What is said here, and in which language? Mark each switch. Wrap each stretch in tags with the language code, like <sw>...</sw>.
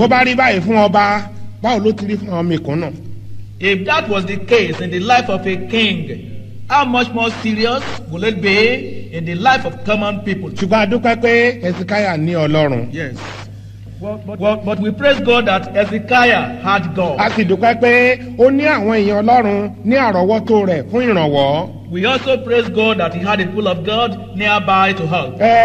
<yo>To ba ri bayi fun oba, ba o lo ti ri fun omi kun na.</yo> <en>If that was the case in the life of a king, how much more serious will it be in the life of common people?</en> <yo>Ṣùgbọ́n a dúpẹ́ pé Hezekiah ní Ọlọ́run.</yo> <en>Yes. But we praise God that Hezekiah had God.</en> <yo>A sì dúpẹ́ pé ó ní àwọn èèyàn Ọlọ́run ní àrọ́wọ́tó rẹ̀ fún ìrànwọ́.</yo> <en>We also praise God that he had a people of God nearby to help.</en>